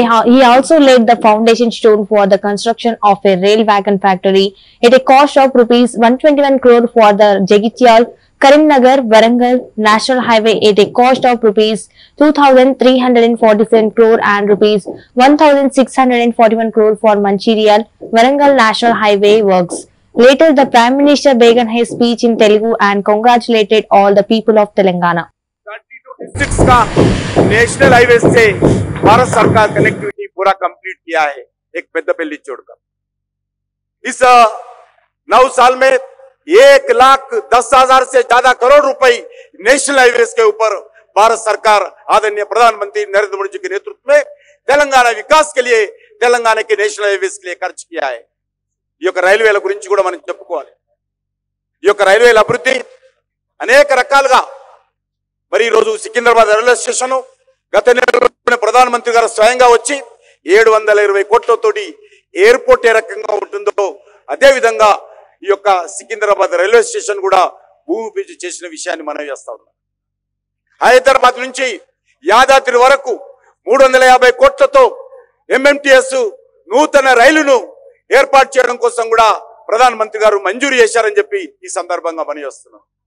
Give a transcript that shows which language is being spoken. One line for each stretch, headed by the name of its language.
English: He also laid the foundation stone for the construction of a rail wagon factory at a cost of ₹121 crore for the Jagityal Karimnagar Warangal National Highway at a cost of ₹2,347 crore and ₹1,641 crore for Manchirial Warangal National Highway works. Later, the Prime Minister began his speech in Telugu and congratulated all the people of Telangana.
Hindi: District का national highway से भारत सरकार connectivity पूरा complete किया है एक पेद्दपल्ली छोड़कर इस 9 साल में 1,10,000 से ज्यादा करोड़ रुपए नेशनल हाईवे के ऊपर भारत सरकार आदरणीय प्रधानमंत्री नरेंद्र मोदी जी के नेतृत्व में तेलंगाना विकास के लिए तेलंगाना के नेशनल हाईवे के लिए खर्च किया है ये रेलवे मन रेलवे अभिवृद्धि अनेक रखा
Telugu: మరి ఈ రోజు సికింద్రాబాద్ రైల్వే స్టేషన్ గత నెలలోనే ప్రధానమంత్రి గారు స్వయంగా వచ్చి 720 కోట్లతోటి ఎయిర్పోర్ట్ ఏ రకంగా ఉంటుందో అదేవిధంగా ఈ యొక్క సికింద్రాబాద్ రైల్వే స్టేషన్ కూడా భూమి పూజ చేసిన విషయాన్ని మనం వేస్తా ఉన్నాం. హైదరాబాద్ నుంచి యాదాద్రి వరకు 350 కోట్లతో ఎంఎంటిఎస్ నూతన రైలును ఏర్పాటు చేయడం కోసం కూడా ప్రధానమంత్రి గారు మంజూరు చేశారని చెప్పి ఈ సందర్భంగా మనం వస్తున్నాం.